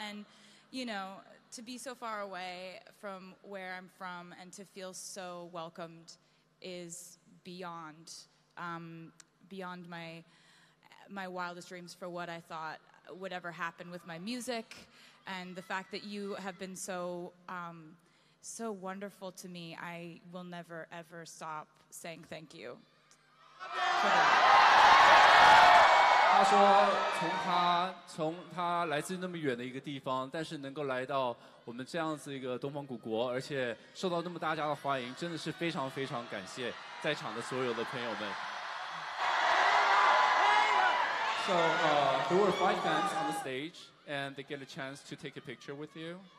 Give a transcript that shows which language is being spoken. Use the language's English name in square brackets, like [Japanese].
[English] And, you know, to be so far away from where I'm from and to feel so welcomed is beyond, beyond my wildest dreams for what I thought would ever happen with my music. And the fact that you have been so, so wonderful to me, I will never, ever stop saying thank you. [Chinese] 他说从他来自那么远的一个地方，但是能够来到我们这样子一个东方古国，而且受到那么大家的欢迎，真的是非常非常感谢在场的所有的朋友们。 [English] So, there were 5 fans on the stage and they get a chance to take a picture with you.